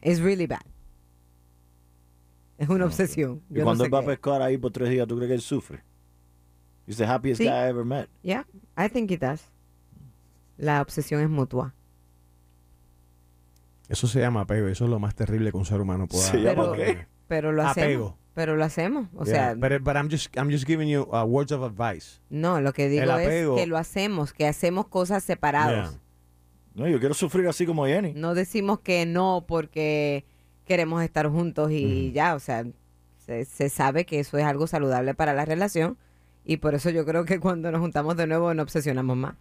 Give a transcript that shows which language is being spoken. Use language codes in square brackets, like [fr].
[en] It's really bad. [es] Es una obsesión. Y yo cuando él va a pescar ahí por tres días, ¿tú crees que él sufre? [en] He's the happiest guy I ever met. Yeah, I think he does. [es] La obsesión es mutua. Eso se llama apego. Eso es lo más terrible que un ser humano pueda hacer. Pero lo hacemos. Apego. Pero lo hacemos, o sea... [en] But I'm just giving you words of advice. [es] No, lo que digo es que lo hacemos, que hacemos cosas separadas. [en] Yeah. [es] No, yo quiero sufrir así como Jenny. No decimos que no porque queremos estar juntos y ya, o sea, se sabe que eso es algo saludable para la relación y por eso yo creo que cuando nos juntamos de nuevo nos obsesionamos más.